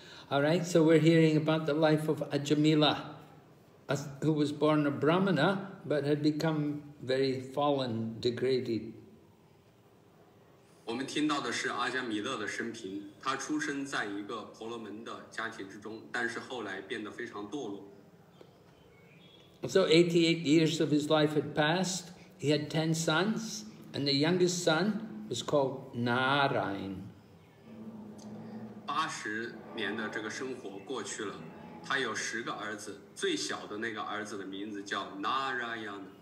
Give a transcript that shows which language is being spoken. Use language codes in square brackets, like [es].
[en] All right, so we're hearing about the life of Ajamila, who was born a Brahmana, but had become very fallen, degraded. [zh] 我们听到的是阿加弥勒的生平，他出生在一个婆罗门的家庭之中，但是后来变得非常堕落。So [en] 88 years of his life had passed. He had 10 sons, and the youngest son was called Narayan. [zh] 80年的这个生活过去了，他有10个儿子，最小的那个儿子的名字叫Narayan.